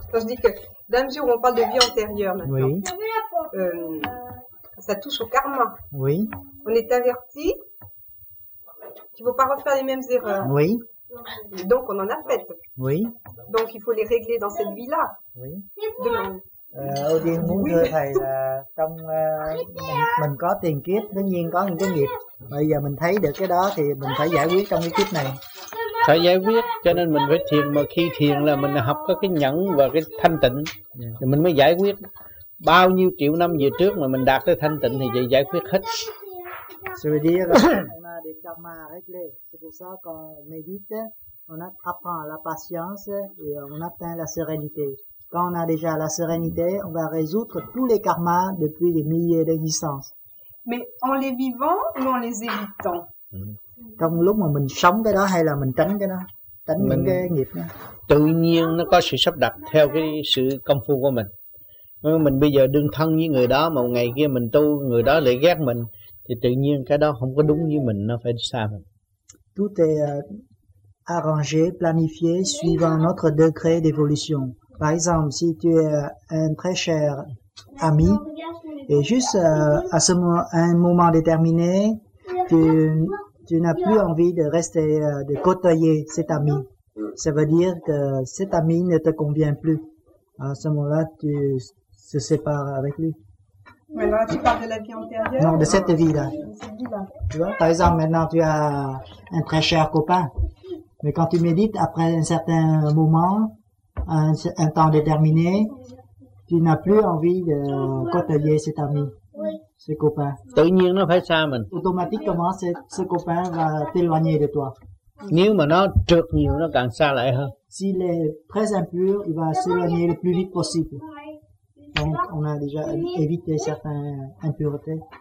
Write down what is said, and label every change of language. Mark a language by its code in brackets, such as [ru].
[fr] Quand je dis que, dans la mesure où on parle de vie antérieure maintenant, oui. Ça touche au karma. Oui. On est averti qu'il ne faut pas refaire les mêmes erreurs. Oui. Et donc on en a fait. Oui. Donc il faut les régler dans cette vie-là. Oui. [vi] Ở địa ngục thưa thầy là trong mình có tiền kiếp, đương nhiên có những cái nghiệp. Bây giờ mình thấy được cái đó thì mình phải giải quyết trong cái kiếp này. Phải giải quyết, cho nên mình phải thiền. Mà khi thiền là mình học có cái nhẫn và cái thanh tịnh thì mình mới giải quyết. Bao nhiêu triệu năm về trước mà mình đạt tới thanh tịnh thì vậy giải quyết hết. [fr] Ça veut dire qu'on a des karmas réglés. C'est pour ça qu'on médite, on apprend la patience et on atteint la sérénité. Quand on a déjà la sérénité, on va résoudre tous les karmas depuis des milliers d'existences. Mais en les vivant ou en les évitant? [vi] Trong lúc mà mình sống cái đó hay là mình tránh cái đó, tránh những cái nghiệp đó. Tự nhiên nó có sự sắp đặt theo cái sự công phu của mình. Mình bây giờ đương thân với người đó mà một ngày kia mình tu, người đó lại ghét mình, thì tự nhiên cái đó không có đúng với mình, nó phải xa mình. [fr] Tout est arrangé, planifié, suivant notre degré d'évolution. Par exemple, si tu es un très cher ami, et juste à ce moment, à un moment déterminé, tu n'as plus envie de rester, de côtoyer cet ami. Ça veut dire que cet ami ne te convient plus. À ce moment-là, tu se sépares avec lui. Mais là, tu parles de la vie antérieure. Non, de cette vie-là. Tu vois, par exemple, maintenant, tu as un très cher copain. Mais quand tu médites, après un certain moment, un temps déterminé, tu n'as plus envie de côtoyer cet ami, ce copain. [vi] Tự nhiên nó phải xa mình. [fr] Automatiquement, ce copain va t'éloigner de toi. [vi] Nếu mà nó trượt nhiều, nó càng xa lại hơn. [fr] S'il est très impur, il va s'éloigner le plus vite possible. Donc, on a déjà évité certaines impuretés.